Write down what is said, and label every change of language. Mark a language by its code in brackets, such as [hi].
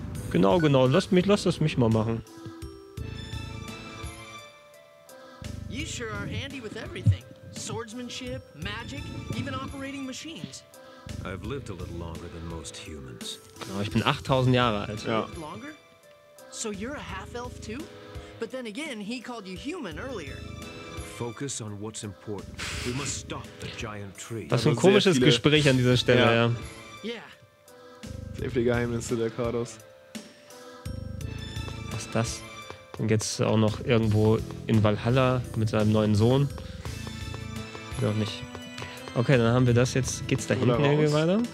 [de] Genau, lass das mich mal machen. [en] sure are handy with everything. Swordsmanship, magic, even operating machines. I've lived a little longer than most humans. [de] Oh, ich bin 8000 Jahre alt. Ja. [en] Longer? So you're a half-elf too? But then again, he called you human earlier. Focus on what's important. We must stop the giant tree. [de] Das ist ein komisches Gespräch an dieser Stelle, ja. [en] Yeah. [de] Sehr viele Geheimnisse der Kados. Was ist das? Dann geht's auch noch irgendwo in Valhalla mit seinem neuen Sohn. Noch nicht. Okay, dann haben wir das jetzt. Geht's da hinten irgendwie weiter?